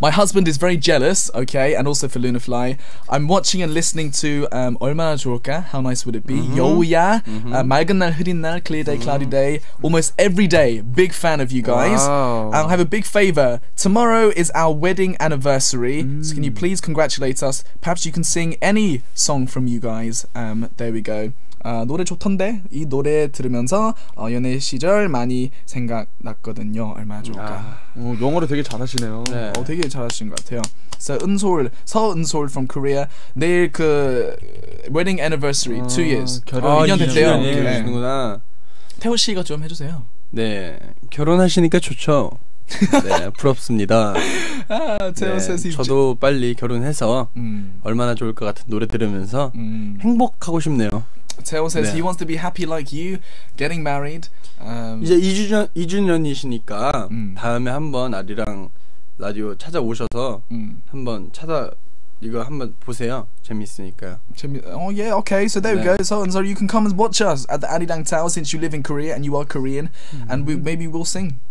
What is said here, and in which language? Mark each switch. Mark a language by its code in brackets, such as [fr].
[en] My husband is very jealous, okay, and also for Lunafly. I'm watching and listening to [ko] 얼마나 좋을까? [en] How nice would it be? [ko] 여우야, 맑은 날, 흐린 날, [en] clear day, cloudy day. Almost every day, big fan of you guys. Wow. I have a big favor. Tomorrow is our wedding anniversary, so can you please congratulate us? Perhaps you can sing any song from you guys. There we go. [ko] 노래 좋던데 이 노래 들으면서 연애 시절 많이 생각났거든요. 얼마나 좋을까. 영어를 되게 잘하시네요. 네. 되게 잘하신 것 같아요. [en] So 은솔, 서은솔 from Korea. [ko] 내일 그 [en] wedding anniversary 2 years. [ko] 결혼 2년 됐대요. 되시는구나. 태호 씨가 좀 해주세요. 네, 결혼하시니까 좋죠. 네, 부럽습니다. 아, 태호 네, 선생님. 저도 빨리 결혼해서 얼마나 좋을 것 같은 노래 들으면서 행복하고 싶네요. [en] Tao says 네. he wants to be happy like you, getting married. [ko] 이제 2주년이시니까 다음에 한번 아리랑 라디오 찾아오셔서 한번 찾아 이거 한번 보세요. 재밌으니까요. [en] Oh yeah, okay. So there 네. we go. So and so you can come and watch us at the Arirang Tao since you live in Korea and you are Korean and we maybe we'll sing.